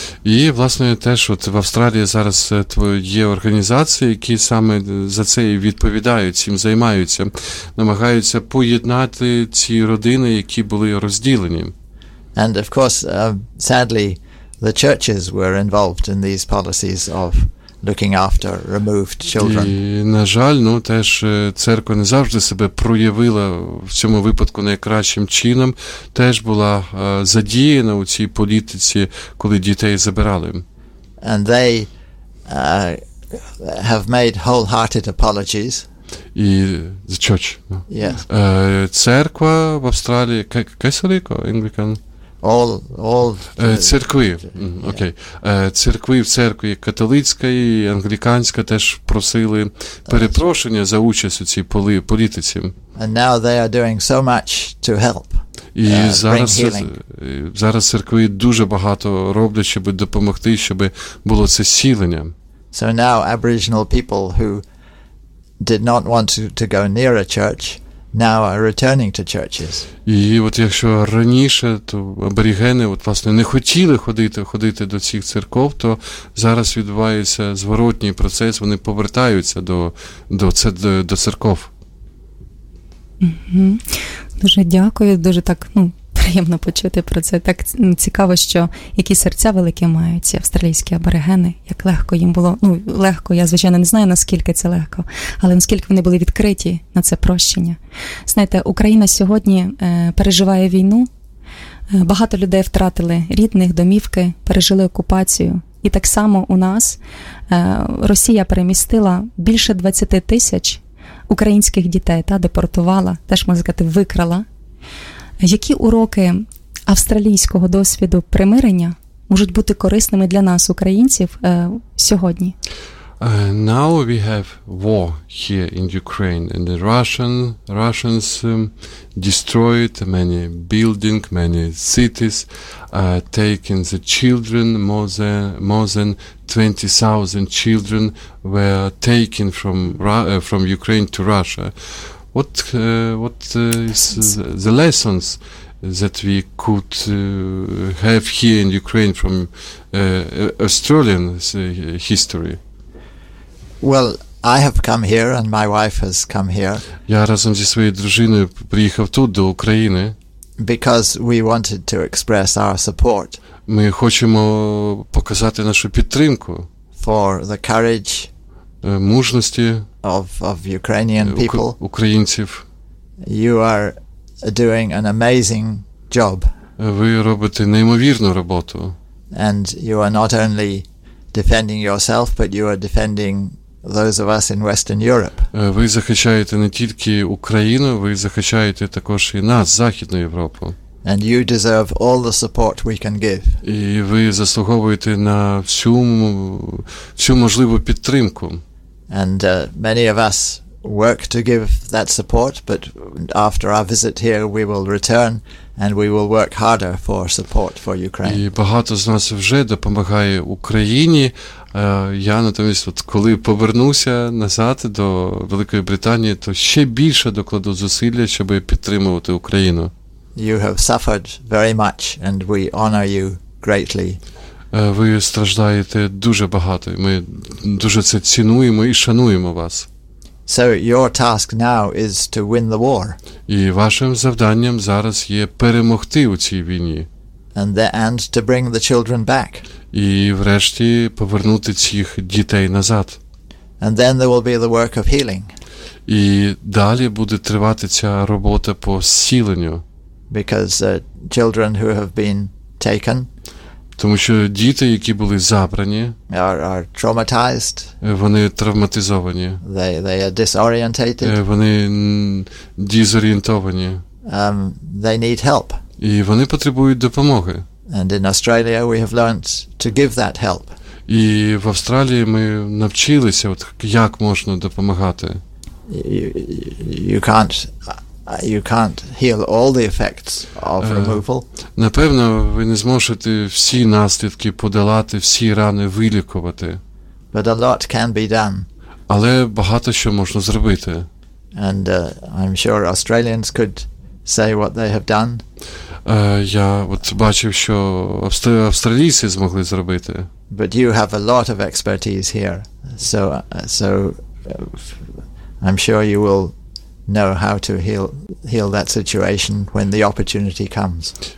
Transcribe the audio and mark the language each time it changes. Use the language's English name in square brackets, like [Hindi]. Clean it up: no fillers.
[Ukrainian] І, власне, теж от в Австралії зараз є організації, які саме за це і відповідають, цим займаються, намагаються поєднати ці родини, які були розділені. [English] And of course, sadly, the churches were involved in these policies of looking after removed children. [Ukrainian] І, на жаль, ну, теж церква не завжди себе проявила в цьому випадку найкращим чином, теж була задіяна у цій політиці, коли дітей забирали. [English] And they have made wholehearted apologies. І the church. Yes. [Ukrainian] Церква в Австралії, католицька, англікан. [English] All [Ukrainian] церкви. Окей. Церкви, в церкві католицька і англіканська теж просили перепрошення за участь у цій політиці. [English] And now they are doing so much to help. [Ukrainian] І зараз церкви дуже багато роблять, щоб допомогти, щоб було це зцілення. [English] So now Aboriginal people who did not want to go near a church now are returning to churches. [Ukrainian] І от якщо раніше то аборігени от власне не хотіли ходити до цих церков, то зараз відбувається зворотній процес, вони повертаються до церков. Угу. Дуже дякую, дуже так, ну, приємно почути про це. Так цікаво, що які серця великі мають ці австралійські аборигени, як легко їм було. Ну, легко, я, звичайно, не знаю, наскільки це легко, але наскільки вони були відкриті на це прощення. Знаєте, Україна сьогодні переживає війну, багато людей втратили рідних, домівки, пережили окупацію. І так само у нас Росія перемістила більше 20 тисяч українських дітей, та депортувала, теж, можна сказати, викрала. Які уроки австралійського досвіду примирення можуть бути корисними для нас, українців, сьогодні? [English] Now we have war here in Ukraine, and the Russians destroyed many building, many cities, taking the children, more than 20,000 children were taken from Ukraine to Russia. What is the lessons that we could have here in Ukraine from Australian history? Well, I have come here and my wife has come here. [Ukrainian] Я разом зі своєю дружиною приїхав тут до України. [English] Because we wanted to express our support. [Ukrainian] Ми хочемо показати нашу підтримку. [English] For the courage. [Ukrainian] Мужності. [English] Of Ukrainian people. [Ukrainian] Українців. [English] You are doing an amazing job. [Ukrainian] Ви робите неймовірну роботу. [English] And you are not only defending yourself, but you are defending those of us in Western Europe. [Ukrainian] Ви захищаєте не тільки Україну, ви захищаєте також і нас, Західну Європу. [English] And you deserve all the support we can give. [Ukrainian] І ви заслуговуєте на всю можливу підтримку. [English] And many of us work to give that support, but after our visit here we will return and we will work harder for support for Ukraine. [Ukrainian] І багато з нас вже допомагає Україні. Я натомість, от коли повернуся назад до Великої Британії, то ще більше докладу зусилля, щоб підтримувати Україну. [English] You have suffered very much and we honor you greatly. [Ukrainian] Ви страждаєте дуже багато, ми дуже це цінуємо і шануємо вас. [English] So your task now is to win the war. [Ukrainian] І вашим завданням зараз є перемогти у цій війні. [English] And to bring the children back. [Ukrainian] І врешті повернути цих дітей назад. [English] And then there will be the work of healing. [Ukrainian] І далі буде тривати ця робота по зціленню. [English] Because children who have been taken. [Ukrainian] Тому що діти, які були забрані, [English] are traumatized. [Ukrainian] Вони травматизовані. [English] They are disorientated. [Ukrainian] Вони дезорієнтовані. [English] They need help. [Ukrainian] І вони потребують допомоги. [English] And in Australia we have learned to give that help. [Ukrainian] І в Австралії ми навчилися, от як можна допомагати. [English] You can't heal all the effects of removal. [Ukrainian] Напевно, ви не зможете всі наслідки подолати, всі рани вилікувати. [English] But a lot can be done. [Ukrainian] Але багато що можна зробити. [English] And I'm sure Australians could say what they have done. [Ukrainian] Я от бачив, що австралійці змогли зробити. [English] But you have a lot of expertise here. So I'm sure you will know how to heal that situation when the opportunity comes.